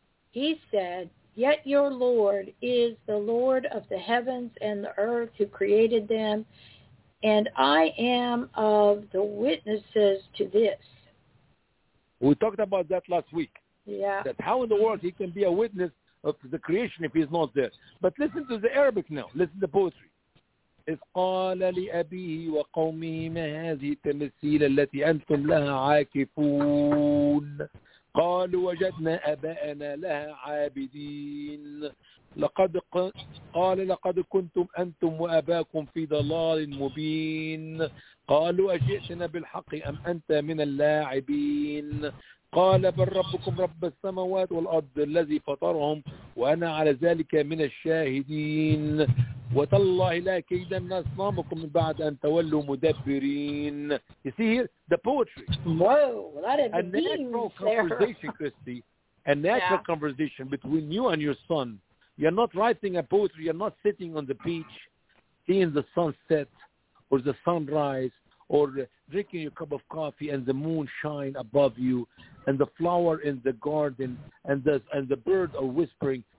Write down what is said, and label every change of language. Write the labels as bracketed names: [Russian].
[English] He said, yet your Lord is the Lord of the heavens and the earth who created them, and I am of the witnesses to this. We talked about that last week. Yeah. That how in the world he can be a witness of the creation if he's not there. But listen to the Arabic now. Listen to the poetry. [Arabic] إِذْ قَالَ لِأَبِيهِ وَقَوْمِهِ مَا هَذِهِ التَّمْثِيلُ الَّتِي أَنْتُمْ لَهَا عَاكِفُونَ قال وجدنا أباءنا لها عابدين لقد قال لقد كنتم أنتم وأباكم في ضلال مبين قالوا أجئتنا بالحق أم أنت من اللاعبين قال بل ربكم رب السماوات والأرض الذي فطرهم وأنا على ذلك من الشاهدين وتالله لا كيدن أصنامكم بعد أن تولوا مدبرين. [English] You see here, the poetry. Whoa, that is a natural conversation, Christy. A natural conversation between you and your son. You're not writing a poetry. You're not sitting on the beach, seeing the sunset or the sunrise, or drinking your cup of coffee and the moon shine above you, and the flower in the garden, and the bird are whispering.